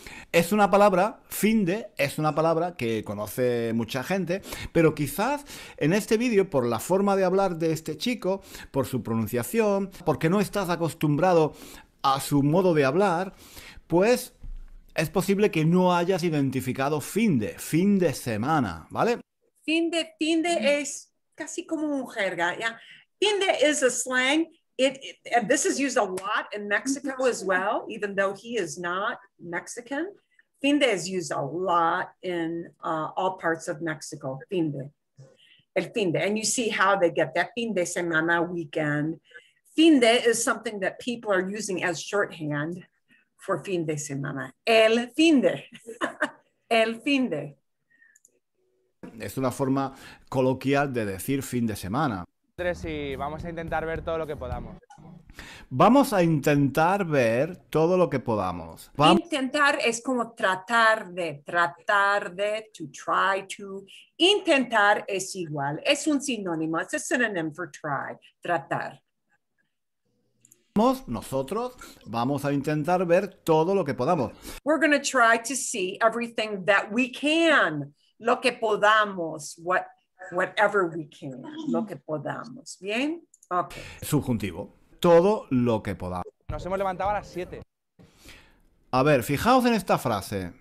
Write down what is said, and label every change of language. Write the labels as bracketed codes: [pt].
[es] Es una palabra, fin de, es una palabra que conoce mucha gente, pero quizás en este vídeo, por la forma de hablar de este chico, por su pronunciación, porque no estás acostumbrado a su modo de hablar, pues es posible que no hayas identificado fin de semana, ¿vale? Fin de es casi como un jerga, ¿ya? [en] Fin de is a slang. And this is used a lot in Mexico as well, even though he is not Mexican. Fin de is used a lot in all parts of Mexico. Fin de. El fin de. And you see how they get that fin de semana weekend. Fin de is something that people are using as shorthand for fin de semana. [es] El fin de. El fin de. Es una forma coloquial de decir fin de semana. Y vamos a intentar ver todo lo que podamos. Vamos a intentar ver todo lo que podamos. Intentar es como tratar de, to try to. Intentar es igual, es un sinónimo, es un synonym for try, tratar. Nosotros vamos a intentar ver todo lo que podamos. [en] We're going to try to see everything that we can, lo que podamos, what. Whatever we can, lo que podamos. ¿Bien? Ok. [es] Subjuntivo. Todo lo que podamos. Nos hemos levantado a las 7. A ver, fijaos en esta frase.